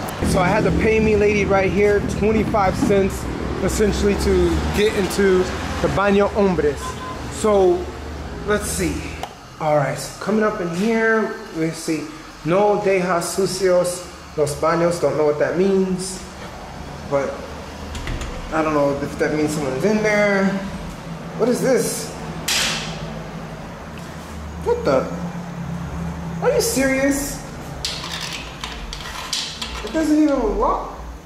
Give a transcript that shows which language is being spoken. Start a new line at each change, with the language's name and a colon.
English: So I had the pay me lady right here, 25 cents, essentially to get into the
Spanish: baño hombres.
English: So let's see. All right, so coming up in here, let's see.
Spanish: No dejas sucios los baños.
English: Don't know what that means, but I don't know if that means someone's in there. What is this? What the? Are you serious? It doesn't even lock.